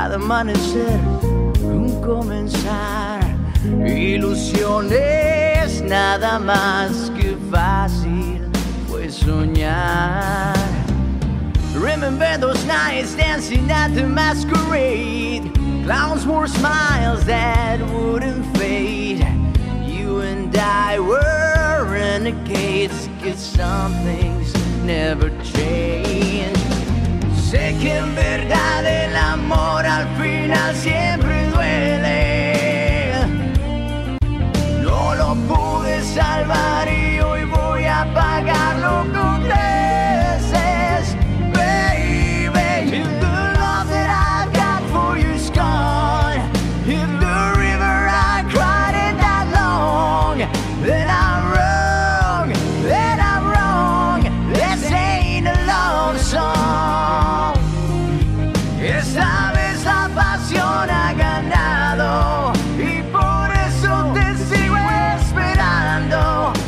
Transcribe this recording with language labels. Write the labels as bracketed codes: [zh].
[es] Amanecer, un comenzar, ilusiones, nada más que fácil fue soñar. [en] Remember those nights dancing at the masquerade. Clowns wore smiles that wouldn't fade. You and I were renegades, cause some things never change. [es] Sé que en verdad el amor al final siempre duele. No lo pude salvar y hoy voy a pagarlo con creces. [en] Baby, if the love that I've got for you is gone, if the river I cried in that long, then I'm wrong, then I'm wrong. This ain't a love song. [es] Esta vez la pasión ha ganado y por eso te sigo esperando.